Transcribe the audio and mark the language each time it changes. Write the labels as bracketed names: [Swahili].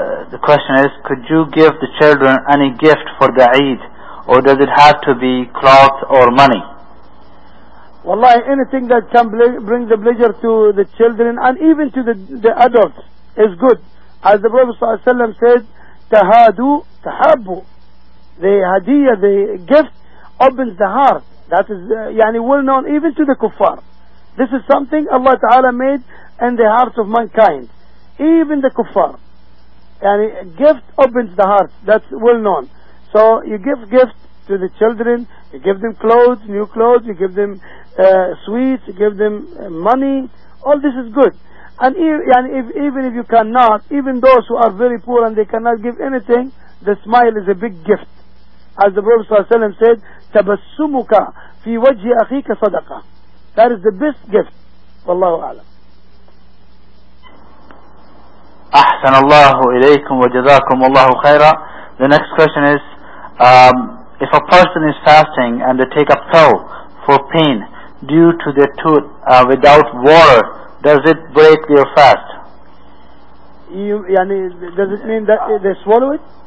[English] The question is, could you give the children any gift for the Eid, or does it have to be cloth or money? Wallahi, anything that can bring the pleasure to the children and even to the adults is good. As the Prophet صلى الله عليه وسلم said, [Arabic] تهادو تحبو. [English] The hadiyah, the gift, opens the heart. That is يعني well known even to the kuffar. This is something Allah Ta'ala made in the hearts of mankind, even the kuffar. يعني gift opens the heart, that's well known. So you give gift to the children, you give them clothes, new clothes, you give them sweets, you give them money, all this is good. And even if you cannot, even those who are very poor and they cannot give anything, the smile is a big gift. As the Prophet sallallahu alaihi wasallam said, [Arabic] تَبَسُّمُكَ فِي وَجْهِ أَخِيكَ صَدَقَة. [English] That is the best gift. Wallahu a'lam. [Arabic] أحسن الله إليكم وجزاكم الله خيرا. [English] The next question is, if a person is fasting and they take a pill for pain due to their tooth without water, does it break their fast? Does it mean that they swallow it?